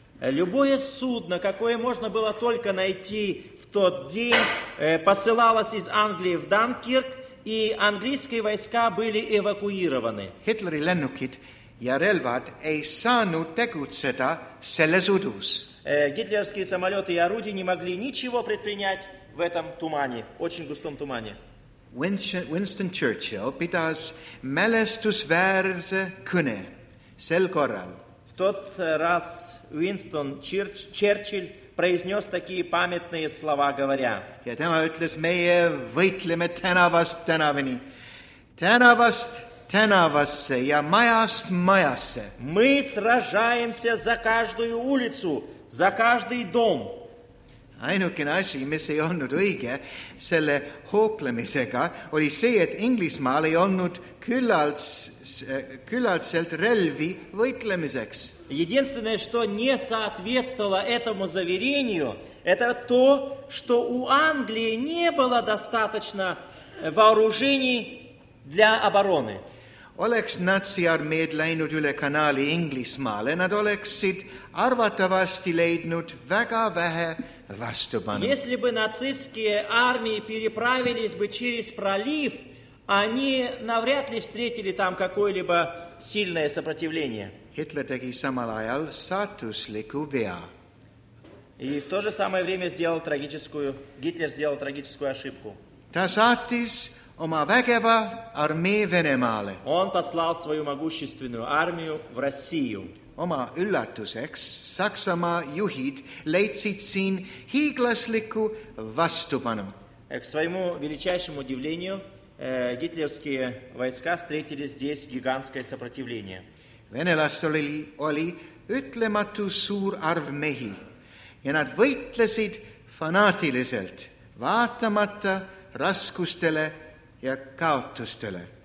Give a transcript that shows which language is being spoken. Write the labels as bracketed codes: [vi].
[ru] Любое судно, какое можно было только найти в тот день, посылалось из Англии в Данкирк, и английские войска были эвакуированы. [et] Hitleri lennukid ja relvad ei saanud tegutseda selles udus. [ru] Гитлерские самолеты и орудия не могли ничего предпринять в этом тумане, очень густом тумане. [et] Winston Churchill pidas mälestusväärse kõne sel korral. [ru] В тот раз Winston Churchill произнес такие памятные слова, говоря. [et] Ja tema ütles, meie võitleme tänavast tänaveni. Tänavast tänavasse ja majast majasse. [ru] Мы сражаемся за каждую улицу, за каждый дом. [et] Ainukene asi, mis ei olnud õige selle hooplemisega, oli see, et Inglismaal ei olnud küllaltselt relvi võitlemiseks. [ru] Единственное, что не соответствовало этому заверению, это то, что у Англии не было достаточно вооружений для обороны. [et] Oleks natsiarmeed läinud üle kanaali Inglismaale, nad oleksid arvatavasti leidnud väga vähe vastupanu. [ru] Если бы нацистские армии переправились бы через пролив, они навряд ли встретили там какое-либо сильное сопротивление. [et] Hitler tegi samal ajal saatusliku vea. [ru] И в то же самое время Гитлер сделал трагическую ошибку. [et] Ta saatis oma vägeva armee Venemaale. [ru] Он послал свою могущественную армию в Россию. [et] Oma üllatuseks Saksamaa juhid leidsid siin hiiglasliku vastupanu. [ru] К своему величайшему удивлению, гитлерские войска встретили здесь гигантское сопротивление. [et] Venelastel oli ütlematu suur arv mehi ja nad võitlesid fanaatiliselt, vaatamata raskustele ja kaotustele.